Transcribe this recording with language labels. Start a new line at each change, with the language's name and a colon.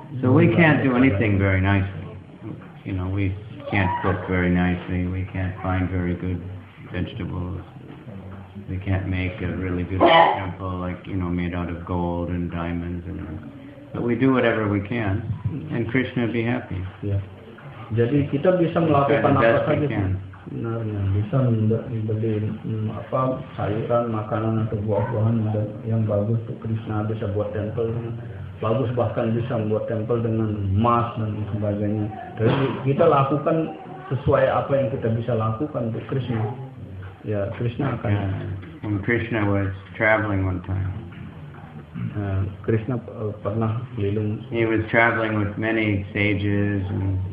English: So we can't do anything very nicely. You know, we can't cook very nicely. We can't find very good vegetables. We can't make a really good temple, like, you know, made out of gold and diamonds and everything. But we do whatever we can, and Krishna will be happy.
Indonesian: Jadi kita bisa melakukan apa saja. Benarnya bisa membeli apa sayuran, makanan atau buah-buahan yang bagus untuk Krishna, bisa buat temple yang bagus, bahkan bisa membuat temple dengan emas dan sebagainya. Jadi kita lakukan sesuai apa yang kita bisa lakukan untuk Krishna. Ya, Krishna akan.
English: When Krishna was traveling one time.
Indonesian: Krishna pernah keliling.
English: He was traveling with many sages and.